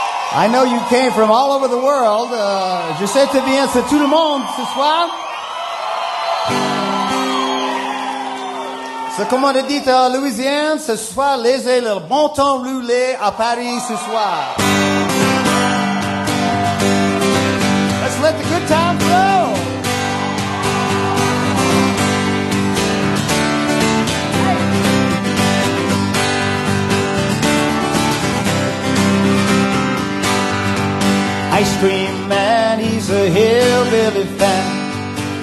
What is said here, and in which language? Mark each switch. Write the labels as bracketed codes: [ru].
[en] I know you came from all over the world. [fr] Je sais que viens de tout le monde ce soir. C'est comme on a dit en Louisiane, ce soir, laissez le bon temps rouler à Paris ce soir. [en] Let's let the good time flow. Ice cream man, he's a hillbilly fan.